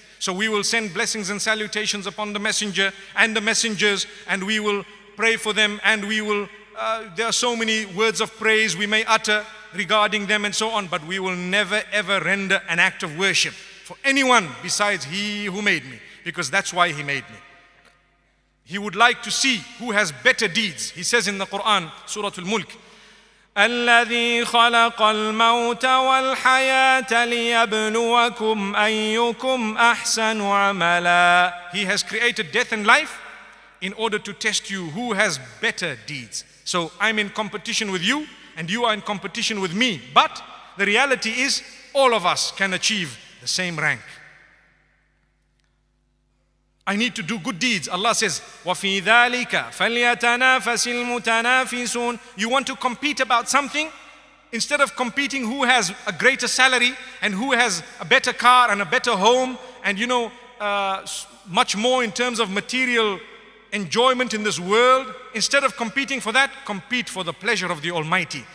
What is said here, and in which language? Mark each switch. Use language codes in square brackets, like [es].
[en] So we will send blessings and salutations upon the messenger and the messengers, and we will pray for them, and we will, there are so many words of praise we may utter regarding them and so on, but we will never ever render an act of worship for anyone besides He who made me, because that's why He made me. He would like to see who has better deeds. He says in the Quran, Suratul Mulk, [ar] الذي خلق الموت والحياة ليبلوكم أيكم أحسن عملا. [en] He has created death and life in order to test you who has better deeds. So I'm in competition with you and you are in competition with me. But the reality is all of us can achieve the same rank. I need to do good deeds. Allah says, [ar] وَفِي ذَٰلِكَ فَلْيَتَنَافَسِ الْمُتَنَافِسُونَ. [en] You want to compete about something? Instead of competing who has a greater salary and who has a better car and a better home and, you know, much more in terms of material enjoyment in this world, instead of competing for that, compete for the pleasure of the Almighty.